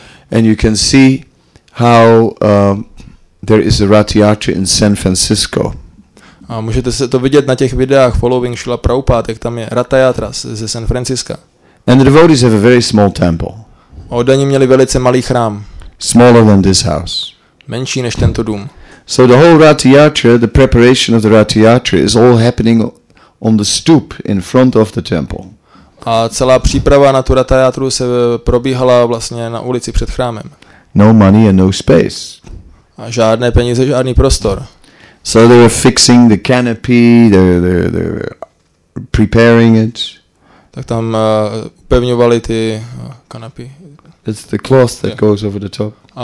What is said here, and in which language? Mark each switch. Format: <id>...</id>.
<en>And you can see how there is a Rath Yatra in San Francisco.</en> <cs>A můžete se to vidět na těch videách</cs> <en>following Srila Prabhupada,</en> <cs>jak tam je Rath Yatra ze San Francisca.</cs> <en>And the devotees have a very small temple.</en> <cs>Oddaní měli velice malý chrám.</cs> <en>Smaller than this house.</en> <cs>Menší než tento dům.</cs> <en>So the whole Rath Yatra, the preparation of the Rath Yatra is all happening on the stoop in front of the temple.</en> <cs>A celá příprava na tu Rath Yatru se probíhala vlastně na ulici před chrámem.</cs> <en>No money and no space.</en> <cs>A žádné peníze, žádný prostor.</cs> <en>So they were fixing the canopy, they're preparing it.</en> <cs>Tak tam upevňovali ty kanapy.</cs> <en>It's the cloth that goes over the top.</en>